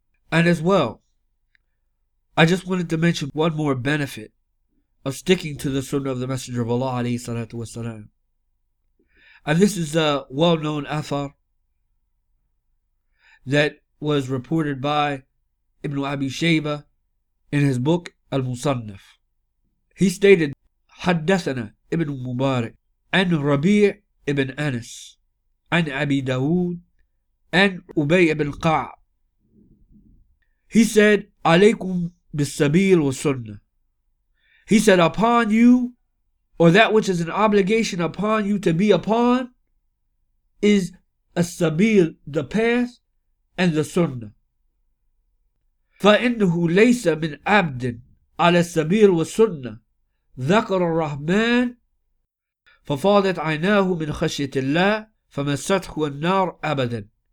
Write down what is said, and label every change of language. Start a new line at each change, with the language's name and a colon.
English: And as well, I just wanted to mention one more benefit of sticking to the sunnah of the messenger of Allah, alayhi salatu wasalam. And this is a well-known athar that was reported by Ibn Abi Shayba in his book Al-Musannaf. He stated,
Arabic: حدثنا ابن مبارك عن ربيع ابن أنس عن أبي داود عن أبي بن قعب.
English: He said,
Arabic: عليكم بالسبيل والسنة.
English: He said, upon you, or that which is an obligation upon you to be upon, is السبيل, the path, and the sunnah.
Arabic: فَإِنَّهُ لَيْسَ مِنْ عَبْدٍ عَلَى السَّبِيلِ وَالسُّنَّةِ ذَكَرَ الرَّحْمَنِ فَفَاضَتْ عَيْنَاهُ مِنْ خَشْيَةِ اللَّهِ فَمَسَّتْهُ النَّارُ أَبَدًا.